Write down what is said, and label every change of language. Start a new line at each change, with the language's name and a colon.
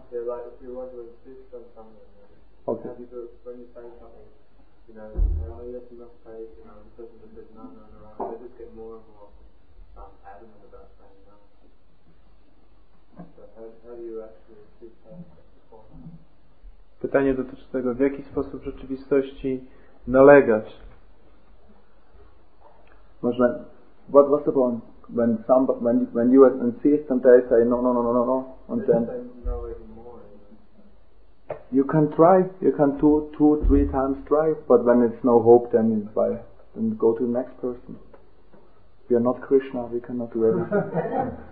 English: Yeah, like if you're wondering, please come somewhere. Okay. And when you're saying something, you know, you say, oh, yes, you must say, you know, the person that says no, no, no, they just get more and more adamant about saying no. So how do you actually keep that form?
Polish: Pytanie dotyczy tego, w jaki sposób w rzeczywistości nalegać? Można,
English: what was the point? When somebody, when you insist and they say no, and then you can try, you can two, three times try, but when it's no hope, then why? Then go to the next person. We are not Krishna, we cannot do everything.